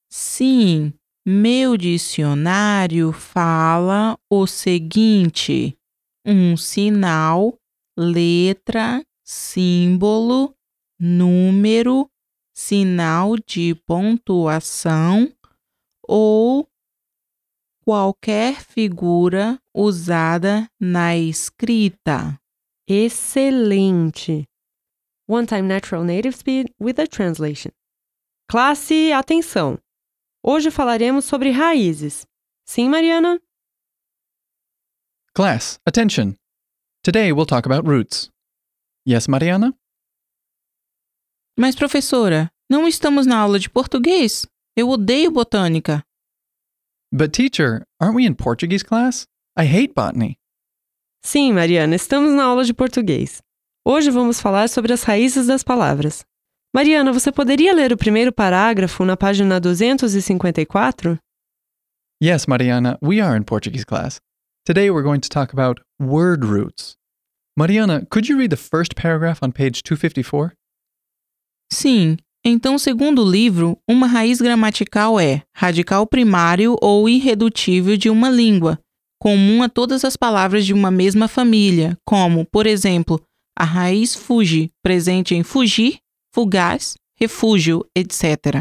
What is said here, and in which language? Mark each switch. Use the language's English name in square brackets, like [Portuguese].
[Portuguese] Sim, meu dicionário fala o seguinte: um sinal, letra, símbolo, número, sinal de pontuação ou qualquer figura usada na escrita. Excelente! [English] One time natural native speed with a translation. [Portuguese] Classe, atenção! Hoje falaremos sobre raízes. Sim, Mariana? [English] Class, attention! Today we'll talk about roots. Yes, Mariana? [Portuguese] Mas, professora, não estamos na aula de português? Eu odeio botânica. [English] But, teacher, aren't we in Portuguese class? I hate botany. [Portuguese] Sim, Mariana, estamos na aula de português. Hoje vamos falar sobre as raízes das palavras. Mariana, você poderia ler o primeiro parágrafo na página 254? [English] Yes, Mariana, we are in Portuguese class. Today we're going to talk about word roots. Mariana, could you read the first paragraph on page 254? [Portuguese] Sim. Então, segundo o livro, uma raiz gramatical é radical primário ou irredutível de uma língua, comum a todas as palavras de uma mesma família, como, por exemplo, a raiz fuji, presente em fugir, fugaz, refúgio, etc.